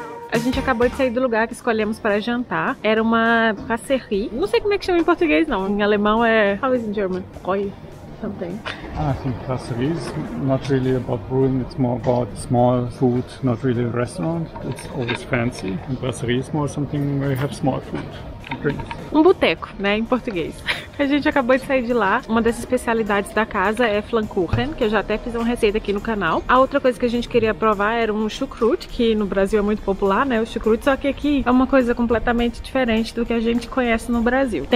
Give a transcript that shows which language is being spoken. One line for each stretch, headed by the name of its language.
Portuguese: A gente acabou de sair do lugar que escolhemos para jantar. Era uma passerie. Não sei como é que chama em português, não. Em alemão é...
English: How is it in German? Oi, something. I think passerie is not really about brewing. It's more about small food, not really a restaurant. It's always fancy. And passerie is more something where you have small food.
Portuguese: Um boteco, né, em português. A gente acabou de sair de lá. Uma das especialidades da casa é Flammkuchen, que eu já até fiz uma receita aqui no canal. A outra coisa que a gente queria provar era um chucrute, que no Brasil é muito popular, né, o chucrute. Só que aqui é uma coisa completamente diferente do que a gente conhece no Brasil.